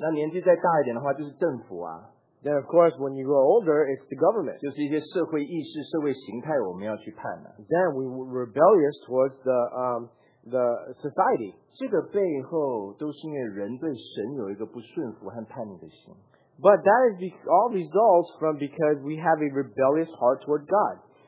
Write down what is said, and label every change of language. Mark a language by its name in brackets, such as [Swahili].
[Chinese] 那年纪再大一点的话就是政府啊, [English] then of course, when you grow older, it's the government. [Chinese] 就是一些社会意识、社会形态我们要去判啊, [English] then we're rebellious towards the society. [Chinese] 这个背后都是因为人对神有一个不顺服和叛逆的心。 [English] But that is all results from because we have a rebellious heart towards God.